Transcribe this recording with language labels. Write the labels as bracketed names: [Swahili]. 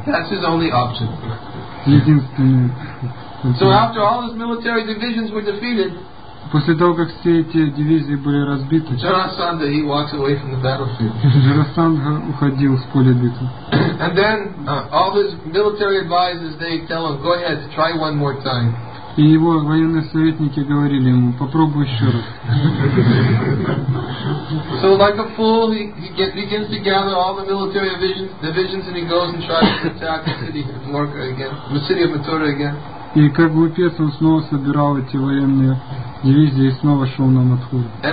[English] That's his only option. [Russian] Единственный. [English] So after all his military divisions were defeated. [Russian] После того, как все эти дивизии были разбиты, Джарасандха уходил с поля битвы. [English] And then all his military advisors, they tell him, go ahead, try one more time. [Russian] И его военные советники говорили ему, попробуй еще раз. [English] So like a fool, he begins to gather all the military divisions and he goes and tries to attack the city of Mathura again. [Russian] И как глупец он снова собирал эти военные дивизии и снова шел на Матхуру.